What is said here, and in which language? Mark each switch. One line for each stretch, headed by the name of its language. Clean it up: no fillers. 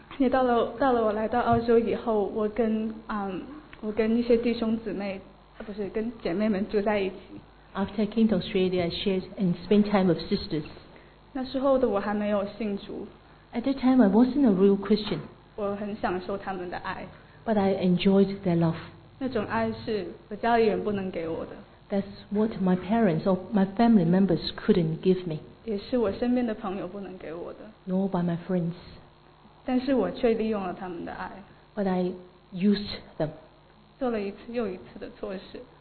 Chinese: 到了我来到澳洲以后，我跟我跟一些弟兄姊妹，不是跟姐妹们住在一起。
English: After I came to Australia, I shared and spent time with sisters.
Chinese: 那时候的我还没有信主。
English: At that time, I wasn't a real Christian.
Chinese: 我很享受他们的爱。
English: But I enjoyed their love.
Chinese: 那种爱是我家里人不能给我的。
English: That's what my parents or my family members couldn't give me.
Chinese: 也是我身边的朋友不能给我的。
English: Nor by my friends.
Chinese: 但是我却利用了他们的爱。
English: But I used them.
Chinese: 做了一次又一次的错事。